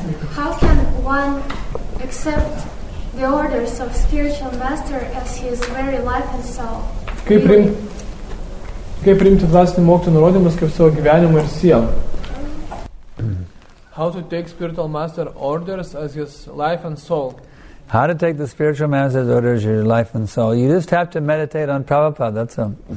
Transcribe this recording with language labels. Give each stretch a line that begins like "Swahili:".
English: How can one accept the orders of spiritual master as his very life and soul?
Lithuanian: Kaip priimti dvasinį mokytojų nurodymus kaip savo gyvenimą ir sielą?
English: How to take spiritual master orders as his life and soul? How to take the spiritual master's orders your life and soul? You just have to meditate on Prabhupada, that's all.